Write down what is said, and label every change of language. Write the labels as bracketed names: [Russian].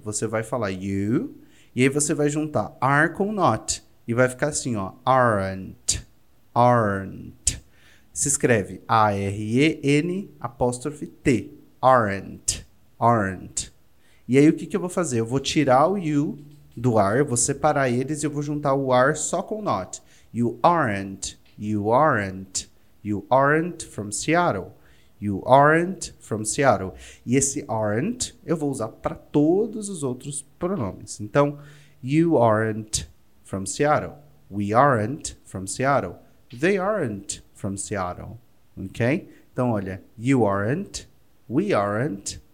[Portuguese] Você vai falar you e aí você vai juntar are com not. E vai ficar assim, ó. Aren't. Aren't. Se escreve A-R-E-N apóstrofe T. Aren't. Aren't. E aí o que, que eu vou fazer? Eu vou tirar o you do are, eu vou separar eles e eu vou juntar o are só com not. [English] You aren't. You aren't. You aren't from Seattle. You aren't from Seattle. [Portuguese] E esse aren't eu vou usar para todos os outros pronomes. Então, [English] you aren't from Seattle. We aren't from Seattle. They aren't from Seattle. [Portuguese] Ok? Então, olha. [English] You aren't. We aren't.